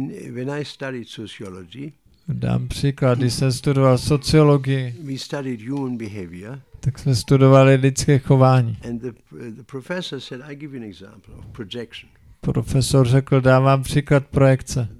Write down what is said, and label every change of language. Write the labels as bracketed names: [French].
[English] When I studied sociology, [Czech] dám příklad, když jsem studoval sociologii, [English] we studied human behavior, [Czech] tak jsme studovali lidské chování. [English] And the professor said, I give you an example of projection. [Czech] Profesor řekl, dám vám příklad projekce.